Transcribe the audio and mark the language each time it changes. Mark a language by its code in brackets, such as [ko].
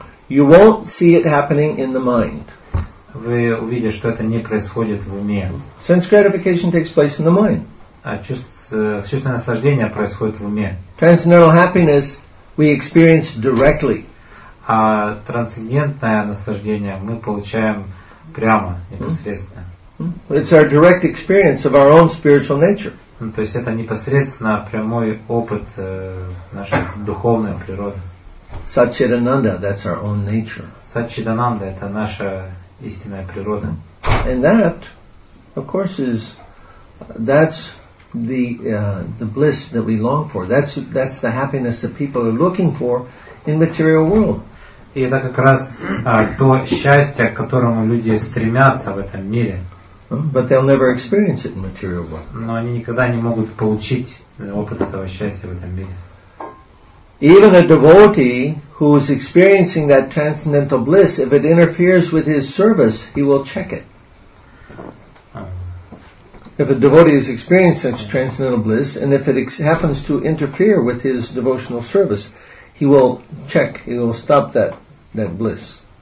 [en] You won't see it happening in the mind. [ru] Вы увидите, что это не происходит в уме. [en] Sense gratification takes place in the mind. [ru] А чувственное наслаждение происходит в уме. [en] Transcendental happiness we experience directly. [ru] А трансцендентное наслаждение мы получаем прямо, непосредственно. [en] It's our direct experience of our own spiritual nature. [ru] То есть это непосредственно прямой опыт нашей духовной природы. [en] Satchidananda, that's our own nature. [ru] Satchidananda это наша истинная природа. [en] And that, of course, is that's the bliss that we long for. That's the happiness that people are looking for in material world. [ru] И это как раз то счастье, к которому люди стремятся в этом мире. [en] But they'll never experience it in material world. [ru] Но они никогда не могут получить опыт этого счастья в этом мире. [en] Even a devotee who is experiencing that transcendental bliss, if it interferes with his service, he will check it. If a devotee is experiencing such transcendental bliss, and if it happens to interfere with his devotional service, he will check, he will stop that bliss.